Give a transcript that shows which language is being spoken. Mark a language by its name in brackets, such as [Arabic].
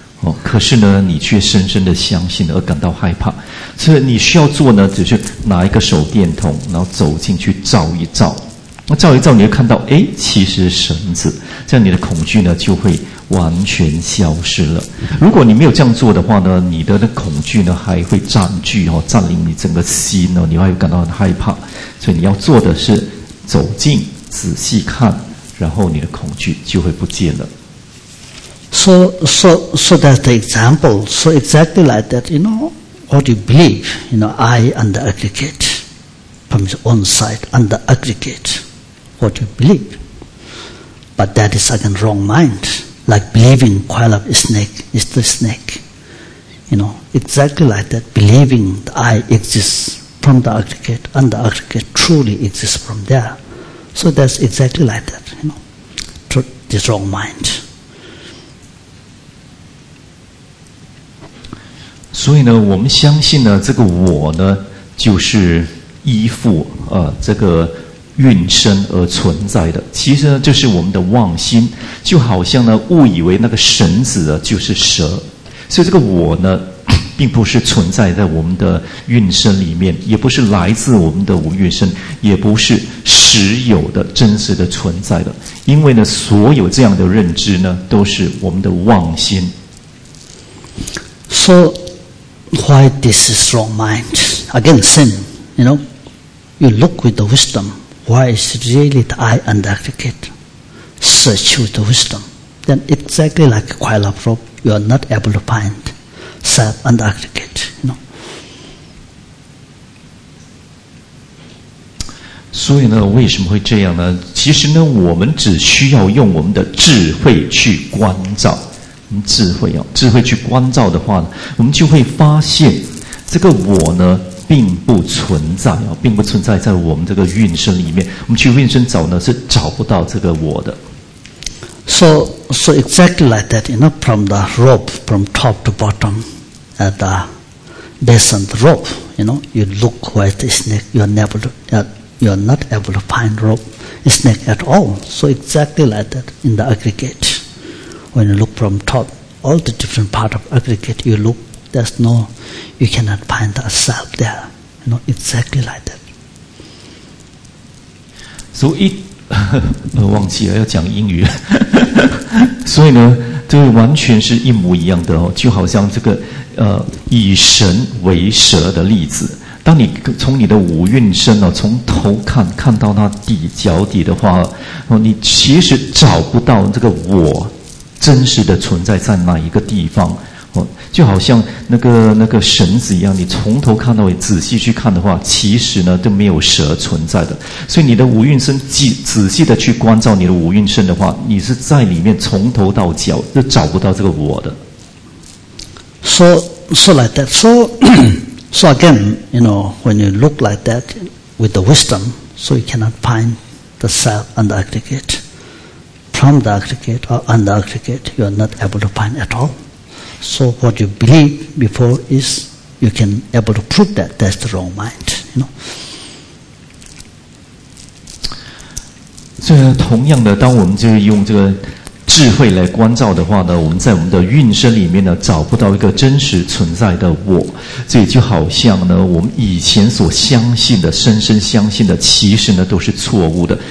[Chinese] 哦，可是呢，你却深深的相信而感到害怕，所以你需要做呢，只是拿一个手电筒，然后走进去照一照，那照一照，你会看到，哎，其实绳子，这样你的恐惧呢就会完全消失了。如果你没有这样做的话呢，你的那恐惧呢还会占据哦，占领你整个心哦，你还会感到很害怕。所以你要做的是走近仔细看，然后你的恐惧就会不见了。 [English] So that's the example. So exactly like that, you know, what you believe, you know, I and the aggregate from its own side and the aggregate, what you believe. But that is again wrong mind. Like believing coil of snake is the snake. You know, exactly like that, believing the I exists from the aggregate and the aggregate truly exists from there. So that's exactly like that, you know, this wrong mind. [Chinese] 所以呢，我们相信呢，这个我呢，就是依附这个运生而存在的，其实呢，就是我们的妄心，就好像呢，误以为那个绳子呢就是蛇，所以这个我呢，并不是存在在我们的运生里面，也不是来自我们的无运生，也不是实有的真实的存在的，因为呢，所有这样的认知呢，都是我们的妄心。 [English] So, why this is wrong mind? Again, same, you know, you look with the wisdom. Why is really the I and the aggregate? Search with the wisdom. Then exactly like a coil of rope, you are not able to find self and the aggregate. You know? [Chinese] 所以呢，为什么会这样呢？其实呢，我们只需要用我们的智慧去观照。智慧哦，智慧去观照的话呢，我们就会发现这个我呢并不存在啊，并不存在在我们这个运生里面。我们去运生找呢，是找不到这个我的。 [English] So exactly like that, you know, from the rope, from top to bottom, at the base of the rope, you know, you look where the snake, you are not able to find rope snake at all. So exactly like that in the aggregate, when you look from top, all the different part of aggregate, you look. There's no, you cannot find a self there. You know, exactly like that. So it, [Chinese] 忘记了要讲英语。所以呢，这完全是一模一样的哦，就好像这个以神为蛇的例子。当你从你的五蕴身哦，从头看到那底脚底的话，哦，你其实找不到这个我真实的存在在哪一个地方。就好像那个绳子一样，你从头看到尾，仔细去看的话，其实呢都没有蛇存在的。所以你的五蕴身仔细的去观照你的五蕴身的话，你是在里面从头到脚都找不到这个我的。 [English] So like that. So again, you know, when you look like that with the wisdom, so you cannot find the self and the aggregate. From the aggregate or on the aggregate, you are not able to find at all. So what you believe before is you can able to prove that that's the wrong mind, you know. [Chinese] 所以呢，同样的，当我们就是用这个智慧来观照的话呢，我们在我们的运生里面呢，找不到一个真实存在的我。所以就好像呢，我们以前所相信的、深深相信的，其实呢都是错误的。